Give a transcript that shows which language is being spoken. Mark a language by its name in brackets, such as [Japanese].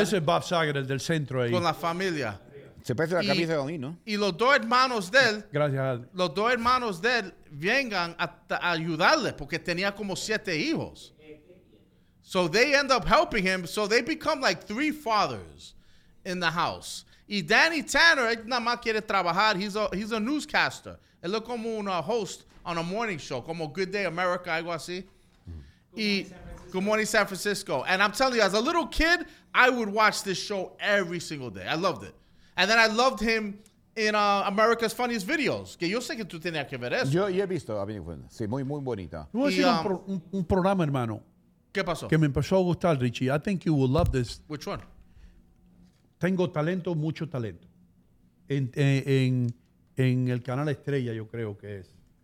[Spanish] Ese es Bob Saget, el del centro ahí. Con la familia. Se parece la camisa de Don I, ¿no? Y los dos hermanos de él... Gracias. Los dos hermanos de él vengan a ayudarle porque tenía como 7 hijos. [English] So they end up helping him. So they become like 3 fathers in the house. [Spanish] Y Danny Tanner, él nada más quiere trabajar. [English] He's a newscaster. [Spanish] Él es como un host [English] on a morning show, [Spanish] como Good Day America, algo así. [English] Good Morning San Francisco. And I'm telling you, as a little kid, I would watch this show every single day. I loved it. And then I loved him in America's Funniest Videos. [Spanish] Que yo sé que tú tenías que ver eso. Yo he visto a Benny Funes. Sí, muy, muy bonita. Tú has hecho un programa, hermano. ¿Qué pasó? Que me empezó a gustar, [English] Richie. I think you will love this. Which one? [Spanish] Tengo talento, mucho talento. En el canal Estrella, yo creo que es.